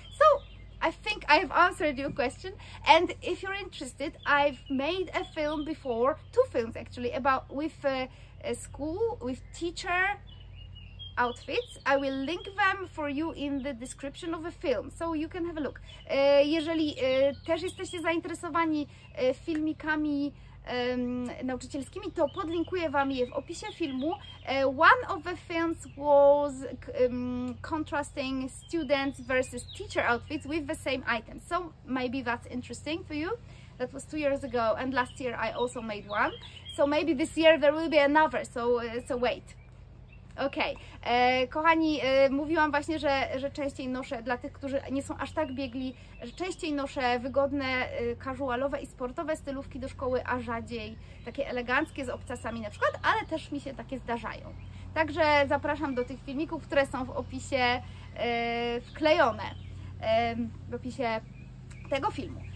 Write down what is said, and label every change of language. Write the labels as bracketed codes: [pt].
[en] So I think I have answered your question. And if you're interested, I've made a film before, two films actually, about with a school, with teacher outfits. I will link them for you in the description of the film, so you can have a look. [pl] Jeżeli też jesteście zainteresowani filmikami nauczycielskimi, to podlinkuję wam je w opisie filmu. [en] One of the films was contrasting students versus teacher outfits with the same items. So maybe that's interesting for you. That was 2 years ago, and last year I also made one. So maybe this year there will be another, so wait. [pl] Okej, okay. Kochani, mówiłam właśnie, że częściej noszę, dla tych, którzy nie są aż tak biegli, że częściej noszę wygodne, casualowe i sportowe stylówki do szkoły, a rzadziej takie eleganckie z obcasami na przykład, ale też mi się takie zdarzają. Także zapraszam do tych filmików, które są w opisie wklejone, w opisie tego filmu.